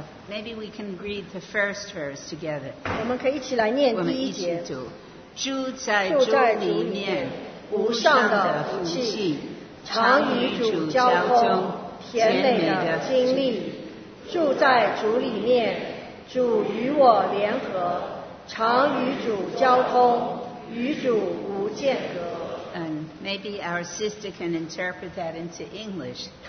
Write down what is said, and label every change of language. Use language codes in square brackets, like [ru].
[en] Maybe we can read the first verse together. [zh] 我们可以一起来念第一节。住在主里面，无上的福气。常与主交通，甜美的经历，住在主里面，主与我联合，常与主交通，与主无间隔。 [en] And maybe our sister can interpret that into English.